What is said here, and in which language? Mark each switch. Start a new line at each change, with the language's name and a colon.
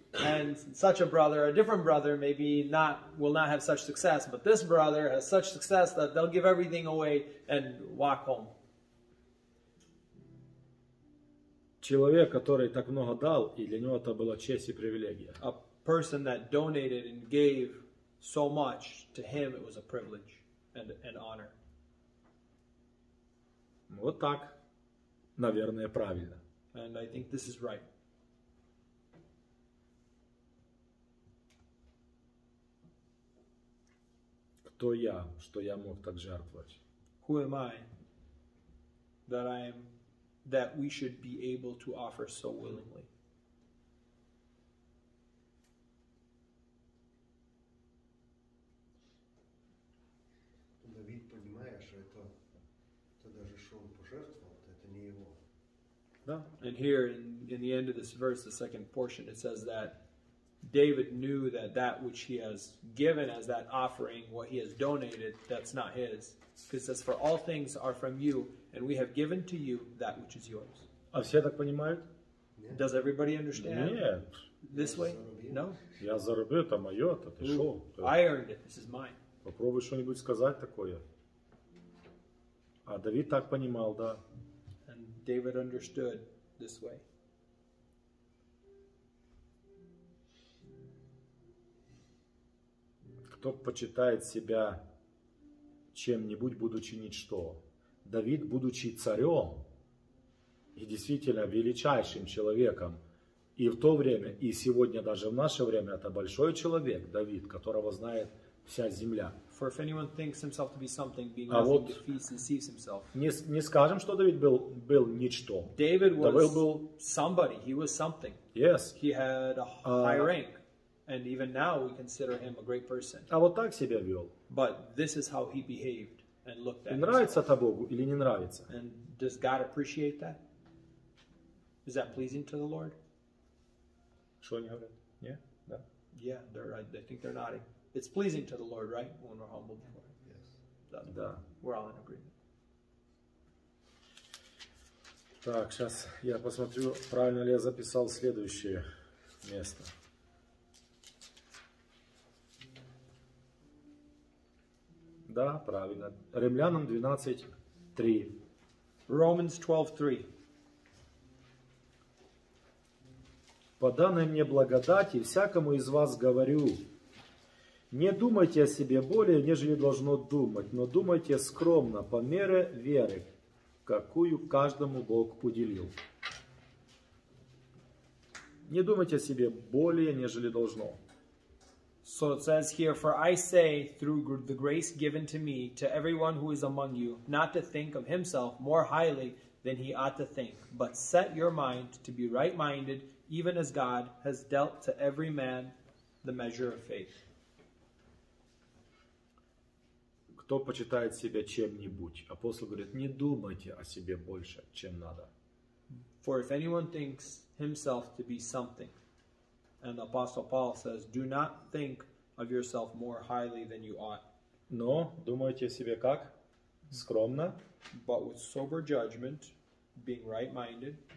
English: And such a brother, a different brother, maybe not will not have such success, but this brother has such success that they'll give everything away and walk home.
Russian: Человек, который так много дал, и для него это была честь и привилегия.
English: A person that donated and gave so much, to him it was a privilege and honor.
Russian: Вот так, наверное, правильно.
English: And I think this is right.
Russian: Кто я, что я мог так жертвовать?
English: Who am I that I am? That we should be able to offer so willingly.
Russian: Давид, понимаешь, это даже что он пожертвовал, это не его. Да.
English: And here in the end of this verse, the second portion, it says that David knew that that which he has given as that offering, what he has donated, that's not his. Because it says, for all things are from you, and we have given to you that which is yours.
Russian: А все так понимают?
English: Yeah. Does everybody understand?
Russian: Нет.
English: Yeah. This way? No?
Russian: Я заработал, это мое, это ты шо?
English: I earned it, this is mine.
Russian: Попробуй что-нибудь сказать такое. А Давид так понимал, да.
English: And David understood this way.
Russian: Кто почитает себя чем-нибудь, будучи ничто? Давид, будучи царем и действительно величайшим человеком, и в то время, и сегодня даже в наше время, это большой человек, Давид, которого знает вся земля.
English: For if anyone thinks himself to be something, being nothing, defeats, deceives himself.
Russian: Не скажем, что Давид был ничто.
English: David was
Russian: Давид был
English: somebody, he was something. Yes. He had a high rank. And even now we consider him a great person.
Russian: А вот так себя вел.
English: But this is how he behaved and looked at.
Russian: Нравится это Богу или не нравится?
English: And does God appreciate that? Is that pleasing to the Lord?
Russian: Что они говорят?
English: Yeah,
Russian: да.
English: Yeah, they're right. They think they're nodding. It's pleasing to the Lord, right? When we're humble before him. Yes. That's
Russian: да.
English: We're all in agreement.
Russian: Так, сейчас я посмотрю, правильно ли я записал следующее место. Да, правильно. Римлянам 12:3.
English: Romans 12:3.
Russian: По данной мне благодати всякому из вас говорю: не думайте о себе более, нежели должно думать, но думайте скромно по мере веры, какую каждому Бог уделил. Не думайте о себе более, нежели должно.
English: So it says here, for I say through the grace given to me to everyone who is among you, not to think of himself more highly than he ought to think, but set your mind to be right-minded, even as God has dealt to every man the measure of faith.
Russian: Кто почитает себя чем-нибудь? Апостол говорит, не думайте о себе больше, чем надо.
English: For if anyone thinks himself to be something, and the Apostle Paul says, do not think of yourself more highly than you ought.
Russian: Но думайте о себе как? Скромно.
English: But with sober judgment, being right-minded.